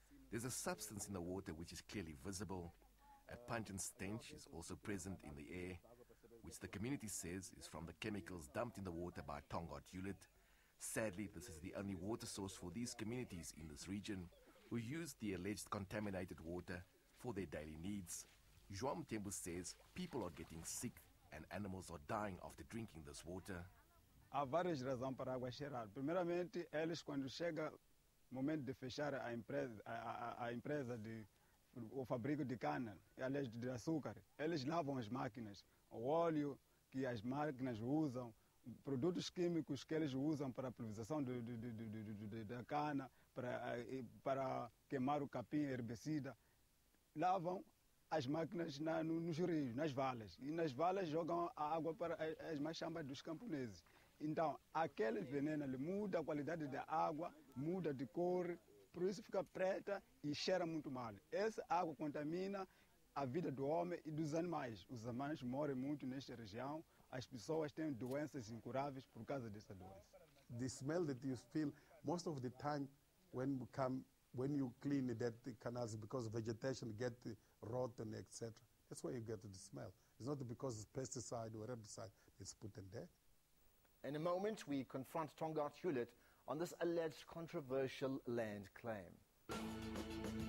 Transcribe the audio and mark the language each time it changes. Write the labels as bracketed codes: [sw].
[en] There's a substance in the water which is clearly visible. A pungent stench is also present in the air, which the community says is from the chemicals dumped in the water by Tongaat Unit. Sadly, this is the only water source for these communities in this region, who use the alleged contaminated water for their daily needs. João Mutembu says people are getting sick and animals are dying after drinking this water. [pt] há várias razões para a água cheirar. Primeiramente, eles, quando chega o momento de fechar a empresa de o fabrico de cana, aliás, de açúcar, eles lavam as máquinas, o óleo que as máquinas usam, produtos químicos que eles usam para a pulverização da cana, para queimar o capim herbicida, lavam as máquinas nos rios, nas valas. E nas valas jogam a água para as machambas dos camponeses. Então, aquele veneno ali muda a qualidade da água, muda de cor, por isso fica preta e cheira muito mal. Essa água contamina a vida do homem e dos animais. Os animais moram muito nesta região. As pessoas têm doenças incuráveis por causa dessa doença. [en] The smell that you feel, most of the time, when you clean that canals, because vegetation get rotten, etc. That's why you get the smell. It's not because of pesticide or herbicide is put in there. In a moment, we confront Tongaat Hulett on this alleged controversial land claim.